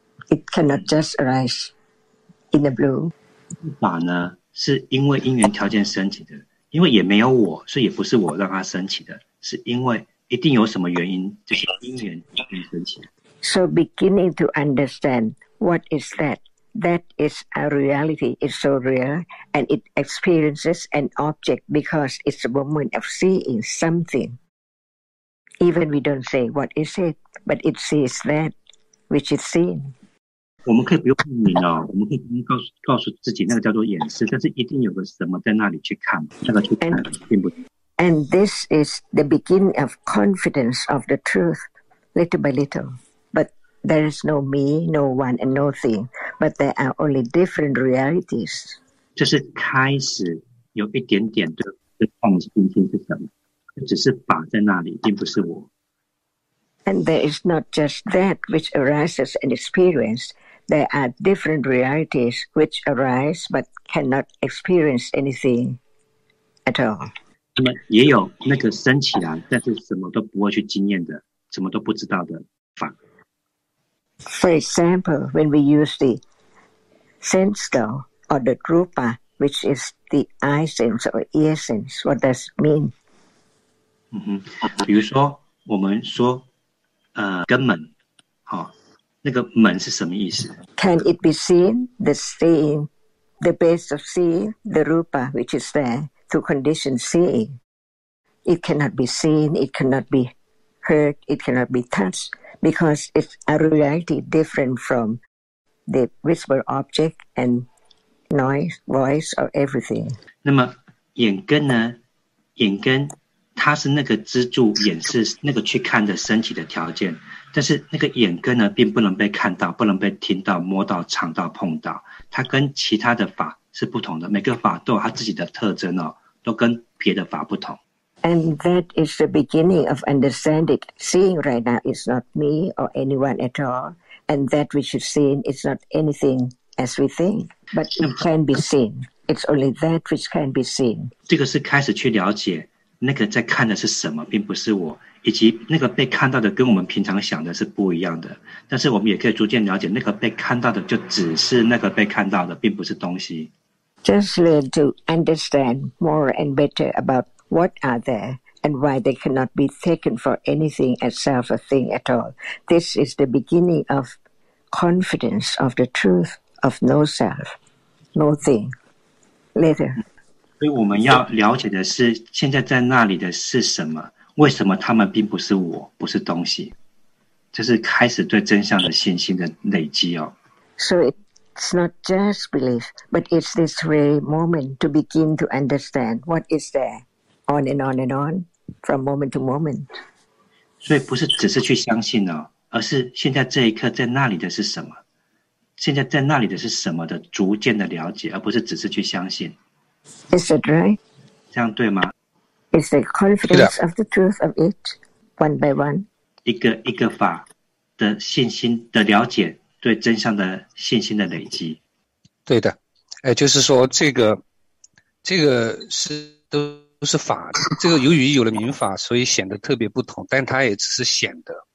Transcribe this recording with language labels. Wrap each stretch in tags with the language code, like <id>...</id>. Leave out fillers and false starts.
<en>It cannot just arise in the blue.</en> <zh>法呢，是因为因缘条件升起的，因为也没有我，所以也不是我让它升起的，是因为一定有什么原因，就是因缘条件升起的。</zh> <en>So beginning to understand what is that? That is a reality, it's so real, and it experiences an object because it's a moment of seeing something. Even we don't say what is it, but it sees that which is seen.</en> <zh>我们可以不用命名哦，我们可以告诉自己那个叫做眼识，但是一定有个什么在那里去看，那个去看并不。</zh> <en>And this is the beginning of confidence of the truth, little by little. There is no me, no one, and nothing, but there are only different realities.</en> <zh>就是开始有一点点的放心是什么？只是法在那里，并不是我。</zh> <en>And there is not just that which arises and experience. There are different realities which arise but cannot experience anything at all.</en> <zh>那么也有那个升起来，但是什么都不会去经验的，什么都不知道的法。</zh> <en>For example, when we use the sense door or the rupa, which is the eye sense or ear sense, what does it mean?</en> <zh>比如说我们说根门，那个门是什么意思？</zh> <en>Can it be seen, the seeing, the base of seeing, the rupa, which is there, to condition seeing? It cannot be seen, it cannot be heard, it cannot be touched, because it's a reality different from the visible object and noise, voice, or everything.</en> <zh>那么眼根呢？眼根它是那个支柱，眼是那个去看的身体的条件，但是那个眼根呢，并不能被看到，不能被听到、摸到、尝到、碰到，它跟其他的法是不同的。每个法都有它自己的特征哦，都跟别的法不同。</zh> <en>And that is the beginning of understanding. Seeing right now is not me or anyone at all, and that which is seen is not anything as we think, but it can be seen. It's only that which can be seen.</en> <zh>这个是开始去了解。那个在看的是什么，并不是我，以及那个被看到的跟我们平常想的是不一样的。但是我们也可以逐渐了解，那个被看到的就只是那个被看到的，并不是东西。</zh> <en>Just learn to understand more and better about what are there and why they cannot be taken for anything as self a thing at all. This is the beginning of confidence of the truth of no self, no thing. Later.</en> <zh>所以我们要了解的是，现在在那里的是什么？为什么他们并不是我，不是东西？这是开始对真相的信心的累积哦。</zh> <en>So it's not just belief, but it's this very moment to begin to understand what is there, on and on and on, from moment to moment.</en> <zh>所以不是只是去相信哦，而是现在这一刻在那里的是什么？现在在那里的是什么的逐渐的了解，而不是只是去相信。</zh> <en>Is that right?</en> <zh>这样对吗？</zh> <en>It's the confidence of the truth of it, one by one.</en> <zh>一个一个法的信心的了解，对真相的信心的累积。对的，就是说这个是都是法，这个由于有了明法，所以显得特别不同，但它也只是显得。</zh>